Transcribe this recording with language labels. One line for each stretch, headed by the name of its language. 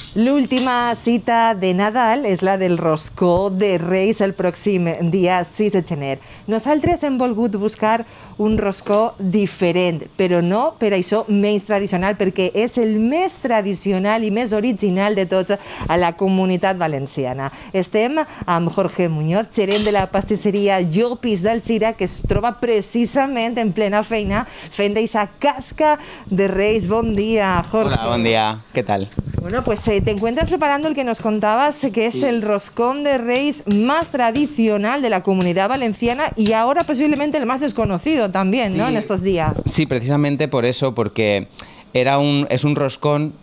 Spanish: La última cita de Nadal es la del Roscó de Reis el próximo día 6
Catalan: de gener. Nosaltres hem volgut buscar un roscó diferent, però no per això menys tradicional, perquè és el més tradicional i més original de tots a la comunitat valenciana. Estem amb Jorge Muñoz, gerent de la pastisseria Llopis d'Alzira, que es troba precisament en plena feina fent d'aquesta casca de Reis. Bon dia, Jorge. Hola, bon dia. Què tal?
Spanish: Bueno, pues te encuentras preparando el que nos contabas, que es el roscón de Reis más tradicional de la comunidad valenciana y ahora posiblemente el más desconocido también, ¿no? En estos días. Sí, precisamente por eso, porque es un roscón.